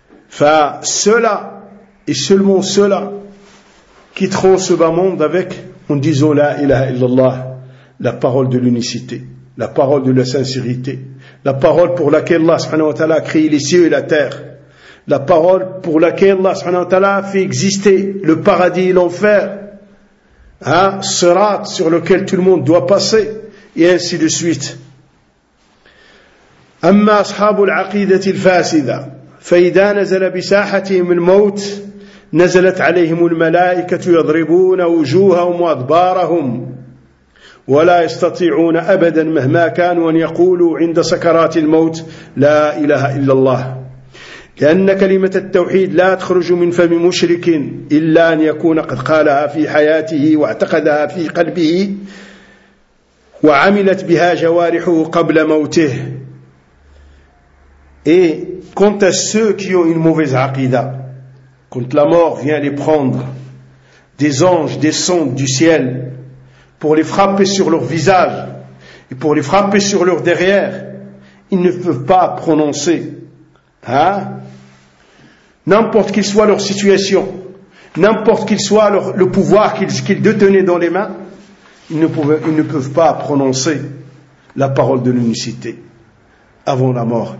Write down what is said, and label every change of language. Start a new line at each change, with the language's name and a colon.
French: Enfin, ceux-là, et seulement ceux-là, quitteront ce bas monde avec, en disant la ilaha illallah, la parole de l'unicité, la parole de la sincérité, la parole pour laquelle Allah subhanahu wa ta'ala a créé les cieux et la terre, la parole pour laquelle Allah subhanahu wa ta'ala a fait exister le paradis et l'enfer, hein, sirat sur lequel tout le monde doit passer, et ainsi de suite.
Arabic: أما أصحاب العقيدة الفاسدة فإذا نزل بساحتهم الموت نزلت عليهم الملائكة يضربون وجوههم وأدبارهم ولا يستطيعون أبدا مهما كانوا أن يقولوا عند سكرات الموت لا إله إلا الله، لأن كلمة التوحيد لا تخرج من فم مشرك إلا أن يكون قد قالها في حياته واعتقدها في قلبه وعملت بها جوارحه قبل موته.
French: Et quant à ceux qui ont une mauvaise aqida, quand la mort vient les prendre, des anges descendent du ciel pour les frapper sur leur visage et pour les frapper sur leur derrière, ils ne peuvent pas prononcer, hein, n'importe quelle soit leur situation, n'importe quelle soit leur, le pouvoir qu'ils détenaient dans les mains, ils ne peuvent pas prononcer la parole de l'unicité avant la mort.